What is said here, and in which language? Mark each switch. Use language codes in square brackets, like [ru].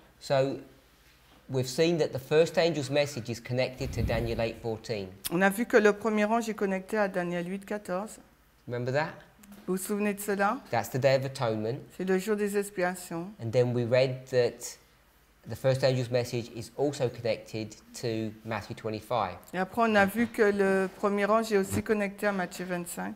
[en] So, we've seen that the first angel's message is connected to Daniel 8, 14. [fr] On a vu que le premier ange est connecté à Daniel 8, 14. [en] Remember that? [fr] Vous vous souvenez de cela? [en] That's the Day of Atonement. [fr] C'est le jour des expiations. [en] And then we read that the first angel's message is also connected to Matthew 25. [fr] Et après, on a vu que le premier ange est aussi connecté à Matthieu 25.